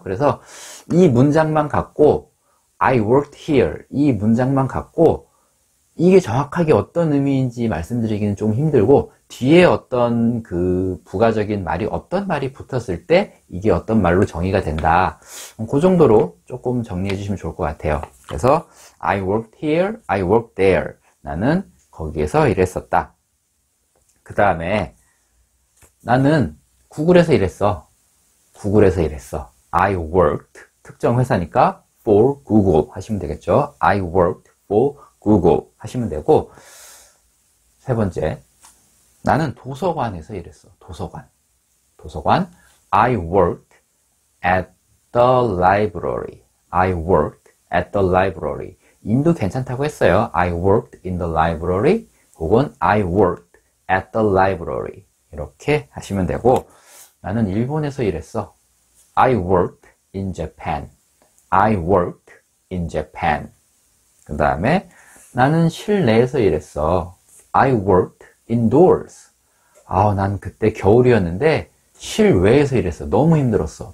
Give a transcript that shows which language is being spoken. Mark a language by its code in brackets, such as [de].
[ko] 그래서 이 문장만 갖고 [en] I worked here [ko] 이 문장만 갖고 이게 정확하게 어떤 의미인지 말씀드리기는 좀 힘들고 뒤에 어떤 그 부가적인 말이 어떤 말이 붙었을 때 이게 어떤 말로 정의가 된다. 그 정도로 조금 정리해 주시면 좋을 것 같아요. 그래서 [en] I worked here, I worked there. [ko] 나는 거기에서 일했었다. 그 다음에 나는 구글에서 일했어. 구글에서 일했어. [en] I worked [ko] 특정 회사니까 [en] for Google [ko] 하시면 되겠죠. [en] I worked for Google [ko] 하시면 되고 세 번째 나는 도서관에서 일했어. 도서관. 도서관. [en] I worked at the library. I worked at the library. [ko] 인도 괜찮다고 했어요. [en] I worked in the library [ko] 혹은 [en] I worked at the library. [ko] 이렇게 하시면 되고 나는 일본에서 일했어. [en] I worked in Japan. I worked in Japan. [ko] 그 다음에 나는 실내에서 일했어. [en] I worked indoors. [ko] 아, 난 그때 겨울이었는데 실외에서 일했어. 너무 힘들었어.